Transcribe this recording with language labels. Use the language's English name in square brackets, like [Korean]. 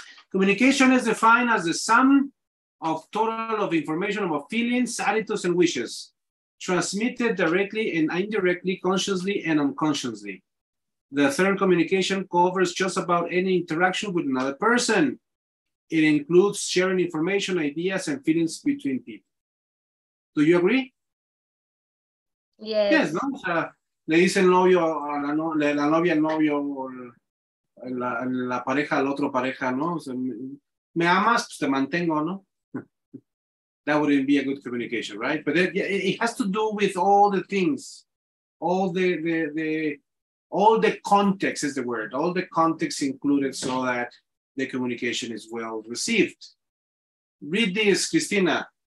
[English] Communication is defined as the sum of total of information about feelings, attitudes, and wishes transmitted directly and indirectly, consciously and unconsciously. The term communication covers just about any interaction with another person. It includes sharing information, ideas, and feelings between people. Do you agree? Yes. Yes, no. [Spanish] Le dicen novio a la, no, la novia al novio o la pareja al otro pareja, ¿no? O sea, me amas, pues te mantengo, ¿no? [English] That wouldn't be a good communication, right? But it has to do with all the things, all the context is the word, all the context included so that the communication is well received. Read this, Cristina.